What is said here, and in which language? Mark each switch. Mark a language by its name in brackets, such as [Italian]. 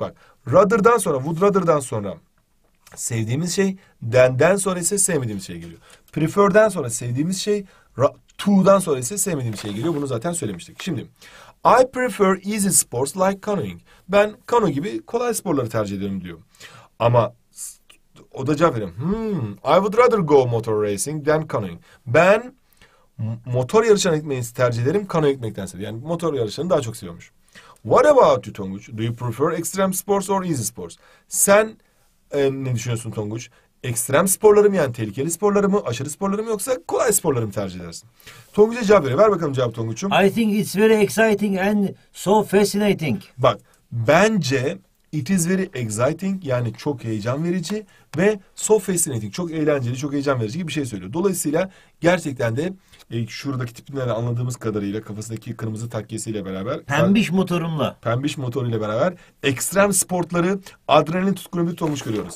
[Turkish] Bak, rather'dan sonra, would rather'dan sonra sevdiğimiz şey, than'den sonra ise sevmediğimiz şey geliyor. Prefer'den sonra sevdiğimiz şey, to'dan sonra ise sevmediğimiz şey geliyor. Bunu zaten söylemiştik. Şimdi, [English] I prefer easy sports like canoeing. [Turkish] Ben kano gibi kolay sporları tercih ediyorum diyor. Ama o da cevap veriyorum. [English] I would rather go motor racing than canoeing. [Turkish] Ben motor yarışına gitmeyi tercih ederim kanoya gitmektense. Yani motor yarışını daha çok seviyormuş. [English] What about you Tonguç? Do you prefer extreme sports or easy sports? [Turkish] Sen ne düşünüyorsun Tonguç? ekstrem sporları mı, yani tehlikeli sporları mı, aşırı sporları mı, yoksa kolay sporları mı tercih edersin? Tonguç'a cevap veriyor. Ver bakalım cevap Tonguç'um. [English] I think it's very exciting and so fascinating. [Turkish] Bak, bence [English] it is very exciting, [Turkish] yani çok heyecan verici ve [English] so fascinating, [Turkish] çok eğlenceli, çok heyecan verici gibi bir şey söylüyor. Dolayısıyla gerçekten de şuradaki tipinden anladığımız kadarıyla, kafasındaki kırmızı takkesiyle beraber, pembiş motorumla, pembiş motoruyla beraber ekstrem sporları adrenalin tutkunu bir olmuş görüyoruz.